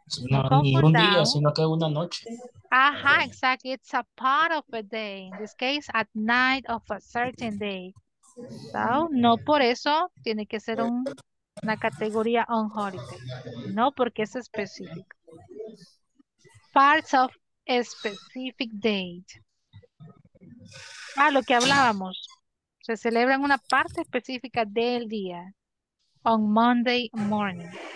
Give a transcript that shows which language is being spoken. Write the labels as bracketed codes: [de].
[es] No, ni un día, sino que una noche. [en] Ajá, exactly. It's a part of a day. In this case, at night of a certain day. [es] So, no por eso tiene que ser una categoría [en] on holiday. [es] No, porque es específico. [en] Parts of a specific date. [es] Ah, lo que hablábamos. Se celebra en una parte específica del día. [en] On Monday morning.